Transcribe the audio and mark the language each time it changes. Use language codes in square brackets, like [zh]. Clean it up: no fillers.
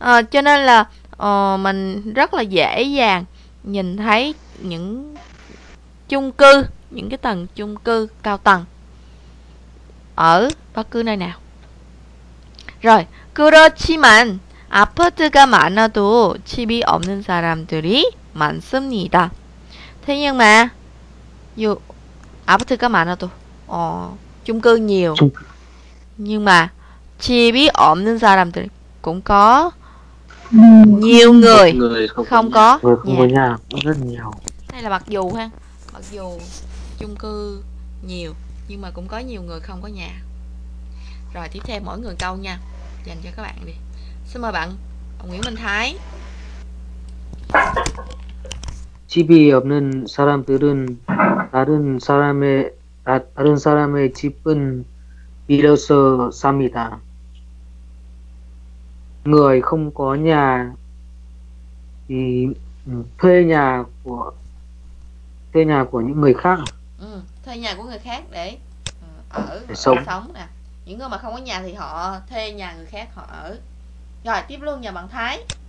[vi] Cho nên là mình rất là dễ dàng nhìn thấy những chung cư, những cái tầng chung cư cao tầng ở bất cứ nơi nào. [ko] Rồi, 그렇지만 아파트가 많아도 집이 없는 사람들이 많습니다. [vi] Thế nhưng mà dù [ko] 아파트가 많아도 [vi] chung cư nhiều. Nhưng mà [ko] 집이 없는 사람들이 [vi] cũng có nhiều người không có nhà, rất nhiều. Đây là mặc dù ha, mặc dù chung cư nhiều nhưng mà cũng có nhiều người không có nhà. Rồi tiếp theo mỗi người câu nha, dành cho các bạn đi. Xin mời bạn Nguyễn Minh Thái. [ko] 집이 없는 사람들은 다른 사람의 집은 빌어서 삽니다. [vi] Người không có nhà thì thuê nhà của những người khác. Thuê nhà của người khác để ở để sống. Sống nè. Những người mà không có nhà thì họ thuê nhà người khác họ ở. Rồi tiếp luôn nhà bạn Thái.